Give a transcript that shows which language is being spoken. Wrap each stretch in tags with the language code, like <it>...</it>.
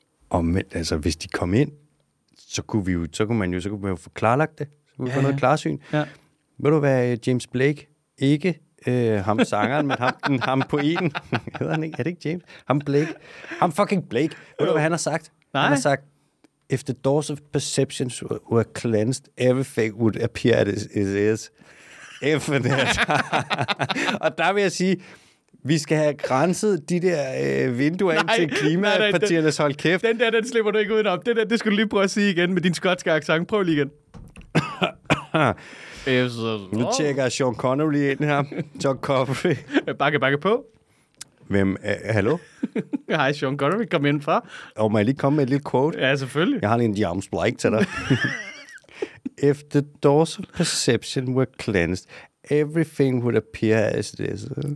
<da>Og men, altså hvis de kom ind, så kunne man jo få klarlagt det, så kunne vi få noget klarsyn. Ja. Vil du være James Blake? Ikke ham sangeren, men ham poeten. Hedder han ikke? Er det ikke James? Ham Blake. Ham fucking Blake. Ved du, hvad han har sagt? Nej. Han har sagt,</da> <en>If the doors of perceptions were cleansed, everything would appear as it is. Infinite.</en> <da>Og der vil jeg sige, vi skal have grænset de der vinduer ind til klimapartiernes hold kæft. Den der, den slipper du ikke udenom. Den der, det skulle du lige prøve at sige igen med din skotske accent. Prøv lige igen. Nu tjekker jeg Sean Connery ind her. John Coffey. Bakke på. Hvem? Hallo? Hej, Sean Connery. Kom ind fra. Og må jeg lige komme med et lille quote? Ja, selvfølgelig. Jeg har lige en James Blake til dig.</da> <en>If the doors of perception were cleansed, everything would appear as it is.</en>